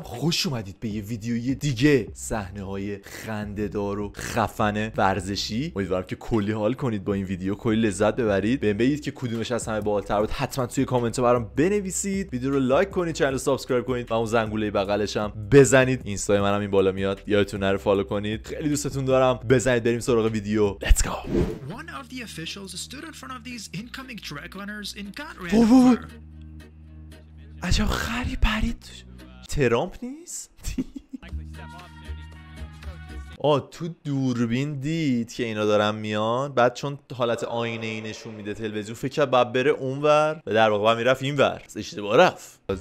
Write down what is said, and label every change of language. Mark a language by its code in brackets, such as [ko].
[fa] خوش اومدید به یه ویدیوی دیگه، صحنه های خنده‌دار و خفن ورزشی. امیدوارم که کلی حال کنید با این ویدیو، کلی لذت ببرید. بهم بگید که کدومش از همه بالاتر بود، حتما توی کامنت ها برام بنویسید. ویدیو رو لایک کنید، چنل رو سابسکرایب کنید و اون زنگوله بغلش هم بزنید. اینستای منم این بالا میاد، یادتون نره فالو کنید. خیلی دوستتون دارم. بزنید بریم سراغ ویدیو. [en] Let's go. One of the officials stood in front of these incoming track runners and got ready for... [fa] عجب خری پرید. ترامپ نیست؟ تو دوربین دید که اینا دارن میان، بعد چون حالت آینه ای نشون میده تلویزیون، فکر کرد باید بره اونور و در واقع باید میرفت اینور. اشتباه رفت.